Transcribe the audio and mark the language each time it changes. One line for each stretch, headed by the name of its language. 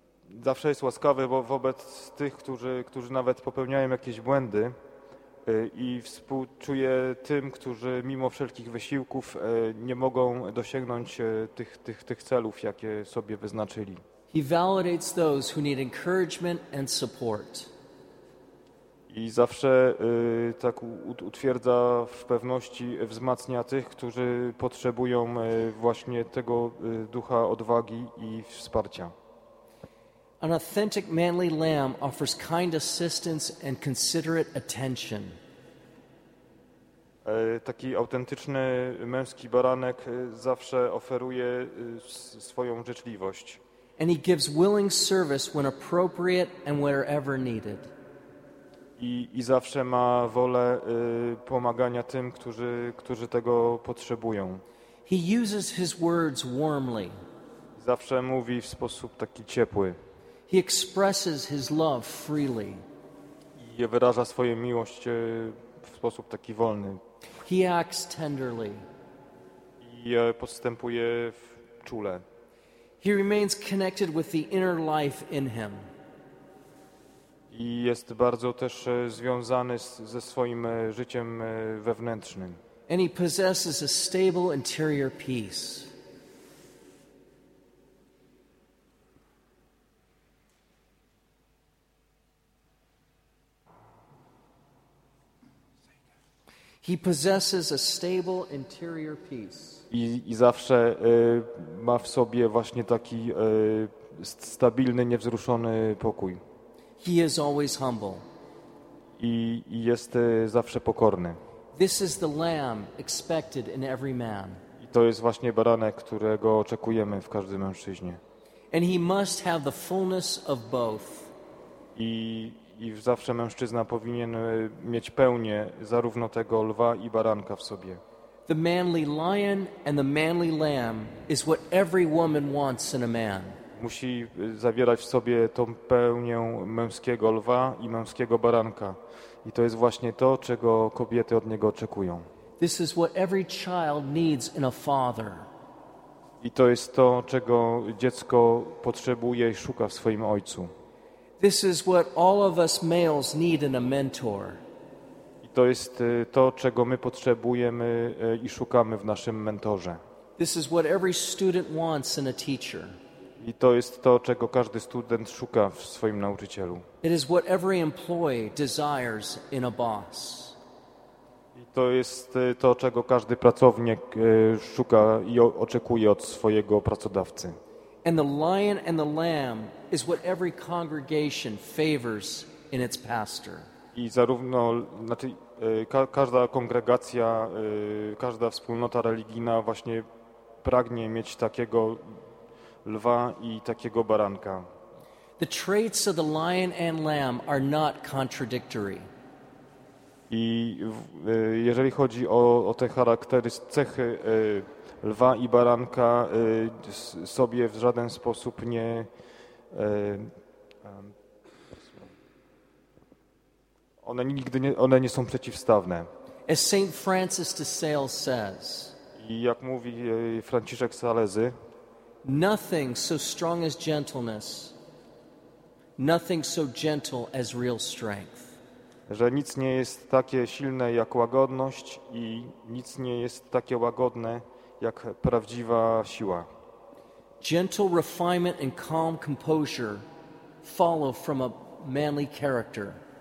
Polish: I zawsze jest łaskawy wobec tych, którzy nawet popełniają jakieś błędy. I współczuję tym, którzy mimo wszelkich wysiłków nie mogą dosięgnąć tych celów, jakie sobie wyznaczyli.
English: He validates those who need encouragement and support.
Polish: I zawsze tak utwierdza w pewności, wzmacnia tych, którzy potrzebują właśnie tego ducha odwagi i wsparcia.
English: An authentic manly lamb offers kind assistance and considerate attention.
Polish: Taki autentyczny męski baranek zawsze oferuje swoją życzliwość.
English: And he gives willing service when appropriate and wherever needed.
Polish: I zawsze ma wolę pomagania tym, którzy tego potrzebują.
English: He uses his words warmly.
Polish: Zawsze mówi w sposób taki ciepły.
English: He expresses his love freely.
Polish: I wyraża swoją miłość w sposób taki wolny.
English: He acts tenderly.
Polish: I postępuje czule.
English: He remains connected with the inner life in him.
Polish: I jest bardzo też związany ze swoim życiem wewnętrznym.
English: And he possesses a stable interior peace. He possesses a stable interior peace.
Polish: I zawsze ma w sobie właśnie taki stabilny, niewzruszony pokój.
English: He is always humble.
Polish: I jest zawsze pokorny.
English: This is the lamb expected in every man.
Polish: I to jest właśnie baranek, którego oczekujemy w każdym mężczyźnie.
English: And he must have the fullness of both.
Polish: I zawsze mężczyzna powinien mieć pełnię zarówno tego lwa i baranka w sobie.
English: The manly lion and the manly lamb is what every woman wants in a man.
Polish: Musi zawierać w sobie tą pełnię męskiego lwa i męskiego baranka. I to jest właśnie to, czego kobiety od niego oczekują.
English: This is what every child needs in a father.
Polish: I to jest to, czego dziecko potrzebuje i szuka w swoim ojcu.
English: This is what all of us males need in a mentor.
Polish: I to jest to, czego my potrzebujemy i szukamy w naszym mentorze.
English: This is what every student wants in a teacher.
Polish: I to jest to, czego każdy student szuka w swoim nauczycielu.
English: It is what every employee desires in a boss.
Polish: I to jest to, czego każdy pracownik szuka i oczekuje od swojego pracodawcy.
English: And the lion and the lamb is what every congregation favors in its pastor.
Polish: I zarówno, znaczy każda kongregacja, każda wspólnota religijna właśnie pragnie mieć takiego lwa i takiego baranka.
English: The traits of the lion and lamb are not contradictory.
Polish: I jeżeli chodzi o te charakterystyczne cechy lwa i baranka, sobie w żaden sposób nie one nigdy nie, one nie są przeciwstawne.
English: As Saint Francis de Sales says.
Polish: I jak mówi Franciszek Salezy,
English: nothing so strong as gentleness, nothing so gentle as real strength.
Polish: Że nic nie jest takie silne jak łagodność i nic nie jest takie łagodne jak prawdziwa siła.
English: Gentle refinement and calm composure follow from a manly character.